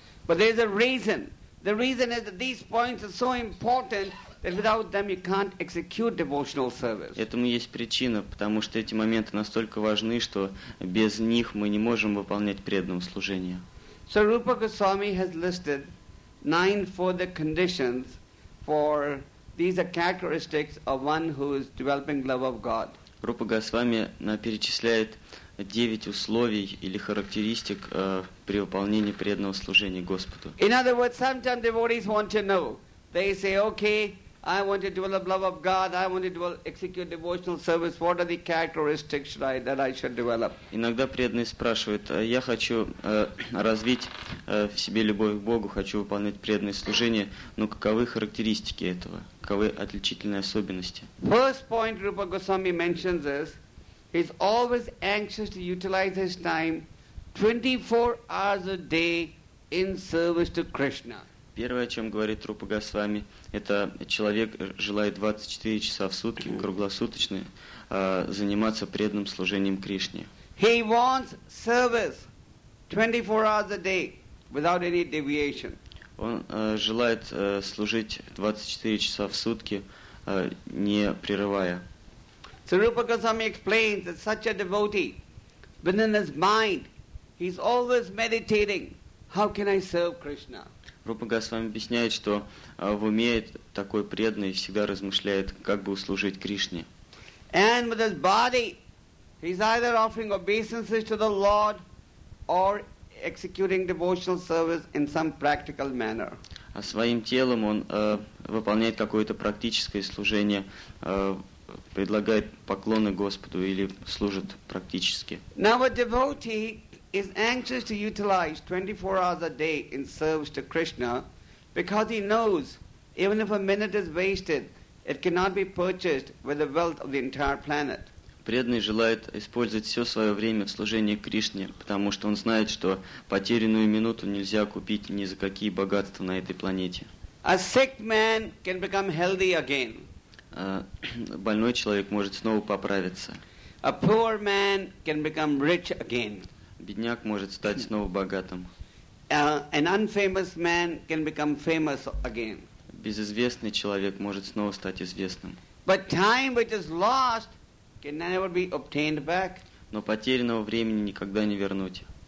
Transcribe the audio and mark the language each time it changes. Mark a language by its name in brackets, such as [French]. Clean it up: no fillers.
[English] But there is a reason. The reason is that these points are so important that without them you can't execute devotional service. [Russian] Этому есть причина, потому что эти моменты настолько важны, что без них мы не можем выполнять преданное служение. [English] So Rupa Goswami has listed 9 further conditions for these are characteristics of one who is developing love of God. [Russian] Рупа Госвами перечисляет 9 условий или характеристик при выполнении преданного служения Господу. [English] In other words, sometimes devotees want to know. They say, okay, I want to develop love of God, I want to execute devotional service, what are the characteristics that I should develop? [Russian] Иногда преданные спрашивают, я хочу развить в себе любовь к Богу, хочу выполнять преданное служение, но каковы характеристики этого? Каковы отличительные особенности? [English] First point Rupa Goswami mentions is, he's always anxious to utilize his time 24 hours a day in service to Krishna. [Russian] Первое, о чем говорит Рупа Госвами, это человек желает 24 часа в сутки, круглосуточно, заниматься преданным служением Кришне. [English] He wants service 24 hours a day without any deviation. [Russian] Он желает служить 24 часа в сутки, не прерывая. [English] So Rupa Goswami explains that such a devotee, within his mind, he's always meditating, how can I serve Krishna? [Russian] Рупа Госвами объясняет, что в уме такой преданный всегда размышляет, как бы услужить Кришне. [English] And with his body, he's either offering obeisances to the Lord or executing devotional service in some practical manner. [Russian] А своим телом он выполняет какое-то практическое служение, предлагает поклоны Господу или служит практически. [English] Now a devotee is anxious to utilize 24 hours a day in service to Krishna because he knows even if a minute is wasted, it cannot be purchased with the wealth of the entire planet. [Russian] Преданный желает использовать все свое время в служении Кришне, потому что он знает, что потерянную минуту нельзя купить ни за какие богатства на этой планете. [English] A sick man can become healthy again. [Russian] Больной человек может снова поправиться. [English] A poor man can become rich again. [Russian] Бедняк может стать снова богатым. [English] An unfamous man can become famous again. [Russian] Безызвестный человек может снова стать известным. [English] But time which is lost can never be obtained back. [Russian] но потерянного времени никогда не вернуть.